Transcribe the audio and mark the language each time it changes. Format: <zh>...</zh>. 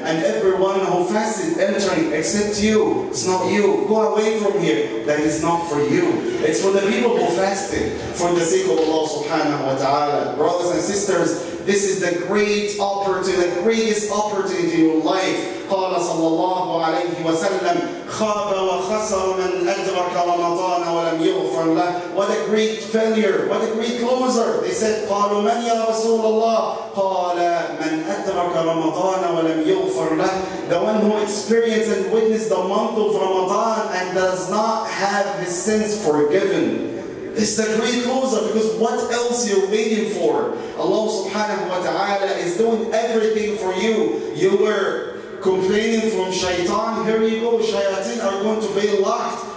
<en>And everyone who fasted entering except you. It's not you. Go away from here. That is not for you. It's for the people who fasted for the sake of Allah subhanahu wa ta'ala. Brothers and sisters, this is the great opportunity, the greatest opportunity in your life.</en> <ar>قال صلى الله عليه وسلم خاب وخسر من أدرك رمضان ولم يغفر له.</ar> <en>What a great failure, what a great loser. They said,</en> <ar>قالوا من يا رسول الله؟ قال من أدرك رمضان ولم يغفر له.</ar> <en>The one who experienced and witnessed the month of Ramadan and does not have his sins forgiven. It's the great loser, because what else you're waiting for? Allah subhanahu wa ta'ala is doing everything for you. You were complaining from shaitan, here you go, shayateen are going to be locked.</en>